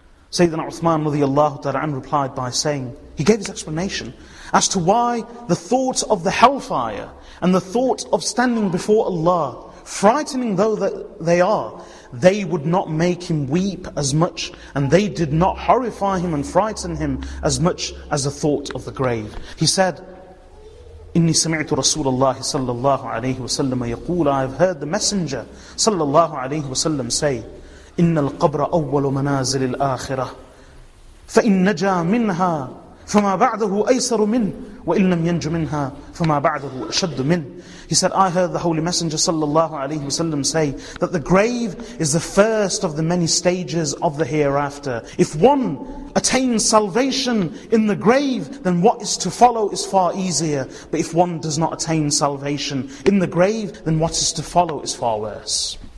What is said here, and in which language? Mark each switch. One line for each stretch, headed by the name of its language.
English: Sayyidina Uthman radiyallahu ta'ala anhu replied by saying, he gave his explanation as to why the thought of the hellfire and the thought of standing before Allah, frightening though that they are, they would not make him weep as much, and they did not horrify him and frighten him as much as the thought of the grave. He said,
Arabic: إِنِّي سَمِعْتُ رَسُولَ اللَّهِ صَلَّى اللَّهُ عَلَيْهِ وَسَلَّمَ يَقُولَ.
English: I have heard the Messenger
Arabic: صلى الله عليه وسلم
English: say,
Arabic: إِنَّ الْقَبْرَ أَوَّلُ مَنَازِلِ الْآخِرَةِ فَإِنْ نَجَى مِنْهَا فَمَا بَعْدَهُ أَيْسَرُ مِنْ وَإِنْ لَمْ يَنْجُ مِنْهَا فَمَا بَعْدَهُ أَشَدُّ مِنْ.
English: He said, I heard the Holy Messenger
Arabic: صلى الله عليه وسلم
English: say that the grave is the first of the many stages of the hereafter. If one attains salvation in the grave, then what is to follow is far easier. But if one does not attain salvation in the grave, then what is to follow is far worse.